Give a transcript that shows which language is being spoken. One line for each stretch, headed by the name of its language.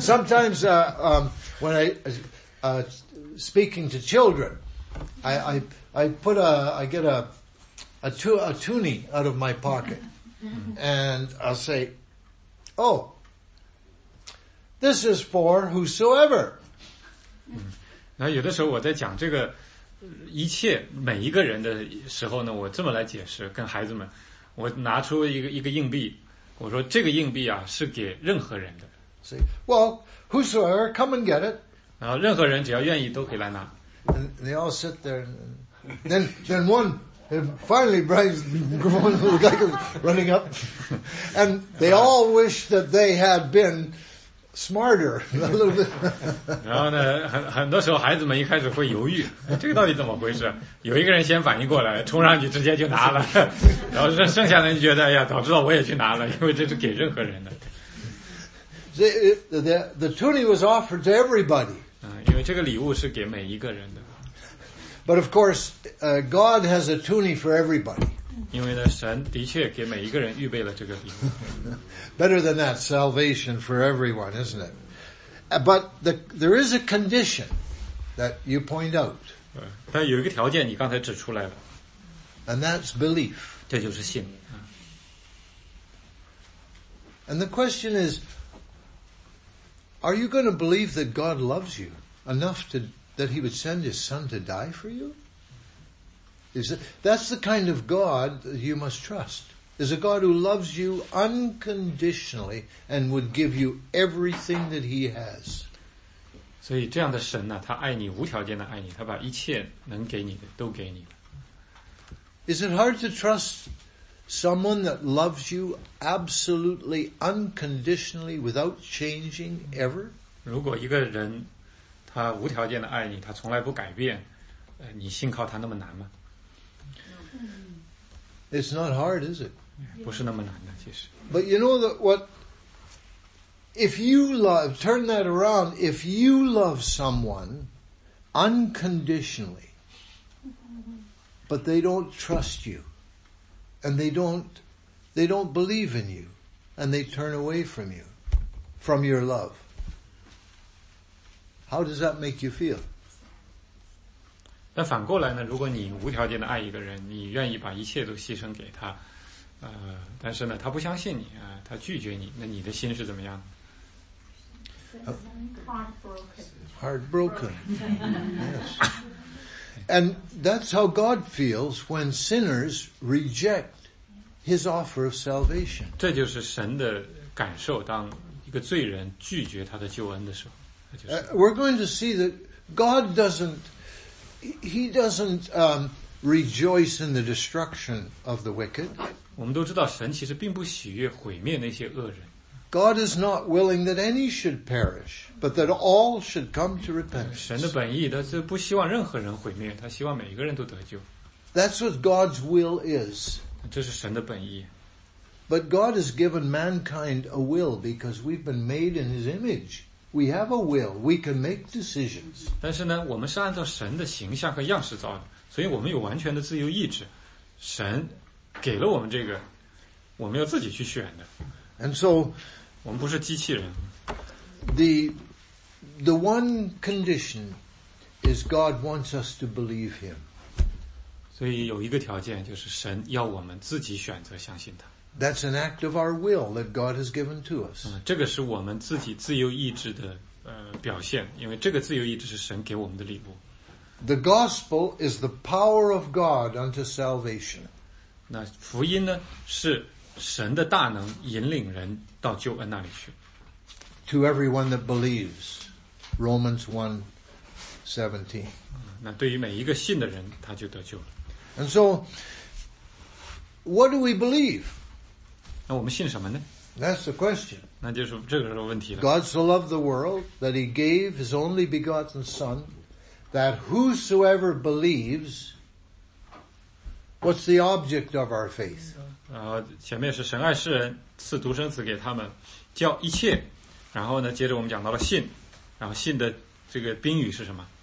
English: Sometimes when I speaking to children, I get a toonie out of my pocket and I'll say, oh, This is for whosoever.
Chinese: 嗯，然后有的时候我在讲这个一切每一个人的时候呢，我这么来解释跟孩子们，我拿出一个硬币，我说这个硬币啊是给任何人的。
English: See, well, whosoever, come and get it.
Chinese: 然后任何人只要愿意都可以来拿。
English: And they all sit there. Then one. And finally, Brian, the guy goes running up. And they all wish that they had been smarter. A little bit.
Chinese: 然后呢，很多时候孩子们一开始会犹豫，这个到底怎么回事？有一个人先反应过来，冲上去直接就拿了。然后剩下的人就觉得，哎呀，早知道我也去拿了，因为这是给任何人的。
English: The tunic was offered to everybody.
Chinese: 因为这个礼物是给每一个人的。
English: But of course, God has a tunic for everybody.
Chinese: 因为呢，神的确给每一个人预备了这个礼物。
English: Better than that, salvation for everyone, isn't it? But there is a condition that you point out.
Chinese: 但有一个条件你刚才指出来了。
English: And that's belief.
Chinese: 这就是信。
English: And the question is, are you going to believe that God loves you enough to... That he would send his son to die for you? That's the kind of God you must trust. Is a God who loves you unconditionally and would give you everything that he has.
Chinese: 所以这样的神呢，他爱你，无条件的爱你，他把一切能给你的都给你了。
English: Is it hard to trust someone that loves you absolutely unconditionally without changing ever?
Chinese: 如果一个人他无条件的爱你，他从来不改变，你信靠他那么难吗
English: ？It's not hard, is it?
Chinese: 不是那么难的，其实。
English: But you know that what? If you love, turn that around. If you love someone unconditionally, but they don't trust you, and they don't believe in you, and they turn away from you, from your love. How does that make you feel?
Chinese: 但反过来呢，如果你无条件的爱一个人，你愿意把一切都牺牲给他，但是呢，他不相信你啊，他拒绝你，那你的心是怎么样
English: ？Heartbroken. Yes. And that's how God feels when sinners reject His offer of salvation.
Chinese: 这就是神的感受，当一个罪人拒绝他的救恩的时候。
English: We're going to see that God doesn't rejoice in the destruction of the wicked.
Chinese: 我们都知道神其实并不喜悦毁灭那些恶人。
English: God is not willing that any should perish, but that all should come to repentance.
Chinese: 神的本意他是不希望任何人毁灭，他希望每一个人都得救。
English: That's what God's will is.
Chinese: 这是神的本意。
English: But God has given mankind a will because we've been made in His image. We have a will. We can make decisions.
Chinese: 但是呢，我们是按照神的形象和样式造的，所以我们有完全的自由意志。神给了我们这个，我们要自己去选的。
English: And so,
Chinese: 我们不是机器人。
English: The one condition is God wants us to believe Him.
Chinese: 所以有一个条件就是神要我们自己选择相信他。
English: That's an act of our will that God has given to us.
Chinese: 这个是我们自己自由意志的表现，因为这个自由意志是神给我们的礼物。
English: The gospel is the power of God unto salvation.
Chinese: 那福音呢，是神的大能引领人到救恩那里去。
English: To everyone that believes, Romans 1:17.
Chinese: 那对于每一个信的人，他就得救了。
English: And so, what do we believe?
Chinese: 那我们信什么呢
English: ？That's the question.
Chinese: 那就是这个是问题了。
English: God so loved the world that He gave His only begotten Son, that whosoever believes, what's the object of our faith?
Chinese: 然后前面是神爱世人，赐独生子给他们，叫一切。然后呢，接着我们讲到了信，然后信的这个宾语是什么